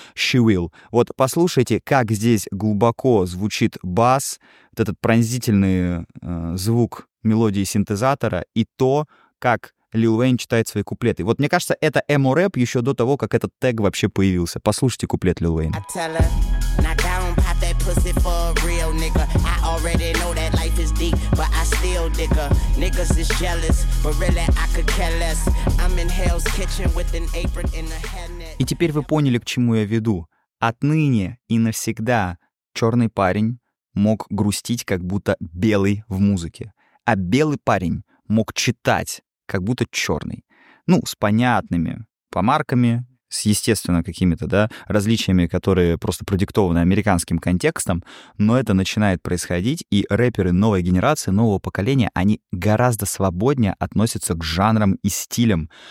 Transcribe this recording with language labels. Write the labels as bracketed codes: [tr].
[en] She Will. [ru] Вот послушайте, как здесь глубоко звучит бас. Вот этот пронзительный звук мелодии синтезатора. И то, как Lil Wayne читает свои куплеты. Вот мне кажется, это эмо рэп еще до того, как этот тег вообще появился. Послушайте куплет Lil Wayne. [en] I tell her, knock down, pop that pussy for a real nigga. I already know that life is deep, but I still dig her. Niggas is jealous, but really I could care less. I'm in Hell's Kitchen with an apron in a hairnet. [ru] И теперь вы поняли, к чему я веду. Отныне и навсегда черный парень мог грустить, как будто белый в музыке. А белый парень мог читать, как будто черный. Ну, с понятными помарками, с, естественно, какими-то, да, различиями, которые просто продиктованы американским контекстом, но это начинает происходить, и рэперы новой генерации, нового поколения, они гораздо свободнее относятся к жанрам и стилям.